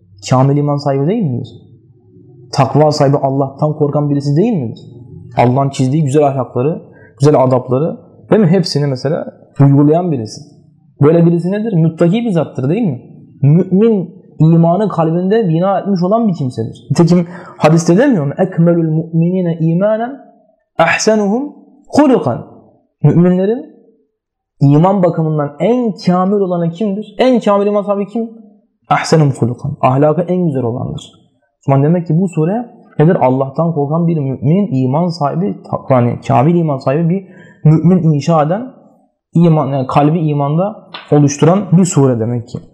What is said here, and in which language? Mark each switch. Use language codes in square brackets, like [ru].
[tr] Kamil iman sahibi değil miyiz? Takva sahibi Allah'tan korkan birisi değil miyiz? Allah'ın çizdiği güzel ahlakları, güzel adapları değil mi? Hepsini mesela uygulayan birisi. Böyle birisi nedir? Müttaki bir zattır değil mi? Mümin imanı kalbinde bina etmiş olan bir kimsedir. Nitekim hadiste demiyor mu? [ar] اَكْمَلُ الْمُؤْمِنِينَ اِيمَانًا اَحْسَنُهُمْ خُلُقًا. [tr] Müminlerin İman bakımından en kamil olanı kimdir? En kamil iman sahibi kim? Ahsenul hulukan. Ahlakı en güzel olandır. Yani demek ki bu sure nedir? Allah'tan korkan bir mümin, iman sahibi, yani kamil iman sahibi bir mümin inşa eden, iman, yani kalbi imanda oluşturan bir sure demek ki.